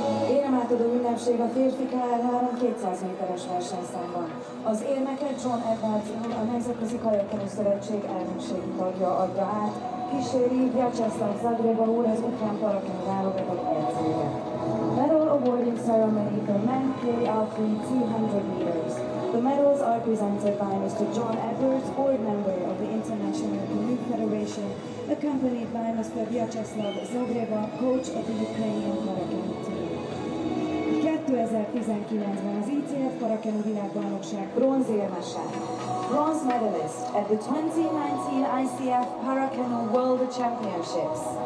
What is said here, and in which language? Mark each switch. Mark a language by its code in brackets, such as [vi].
[hu] Érem átadó ünnepség a férfi KL3 200 méteres versenyszámban. Az érmeket John Edwards úr, a Nemzetközi Kajakkenu Szövetség elnökségi tagja adja át, kíséri Vyacheslav Zagreba úr az ukrán parakenu válogatott edzője. [en] Medal awarding ceremony for men KL3 200 meters. The medals are presented by Mr. John Edwards, board member of the International Canoe Federation, accompanied by Mr. Vyacheslav Zagreba, coach of the Ukrainian parakenu team. [hu] 2019-ben az ICF parakenu világbajnokság bronzérmese. [en] Bronze medalist at the 2019 ICF Paracanoe World Championships.